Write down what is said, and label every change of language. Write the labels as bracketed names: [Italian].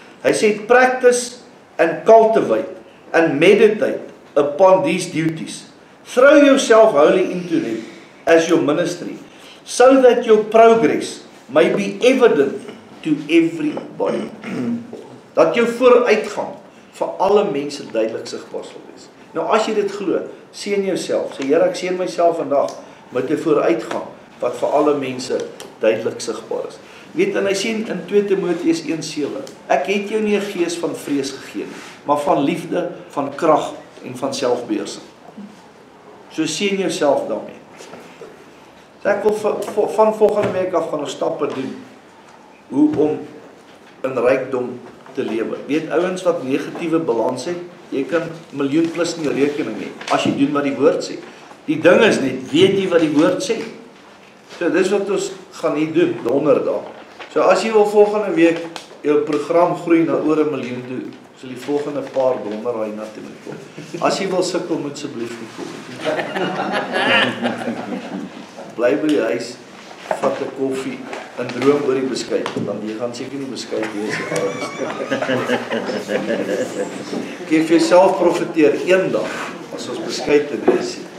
[Afrikaans] Hy sê, [English] practice and cultivate and meditate upon these duties. Throw yourself wholly into them as your ministry, so that your progress may be evident to everybody. [Afrikaans] Dat jou vooruitgang vir alle mense duidelik sigbaar sal wees. Nou as jy dit glo, sien jouself. Sê Here, ek sien myself vandag met 'n vooruitgang wat vir alle mense duidelik sigbaar is. Weet, en hy sien in 2 Timoteus 1 7, ek het jou nie 'n gees van vrees gegee nie, maar van liefde, van krag en van selfbeheersing. So sien jouself daarmee. So ek wil van volgende week af gaan stappe doen hoe om in rykdom te lewe. Weet ouens wat negatiewe balans het, jy kan miljoen plus in jou rekening hê as jy doen wat die woord sê. Die ding is net, weet jy wat die woord sê? So dis wat ons gaan hier doen donderdag. So as jy wil volgende week jou program groei na oor 'n miljoen toe, sal die volgende paar donderdae na toe moet kom. As jy wil sukkel, moet asseblief nie kom. Bly by die huis, vat 'n koffie en droom oor die beskuit, want jy gaan seker nie beskuit wees die ouens. Geef jouself profeteer een dag as ons beskuit te wees.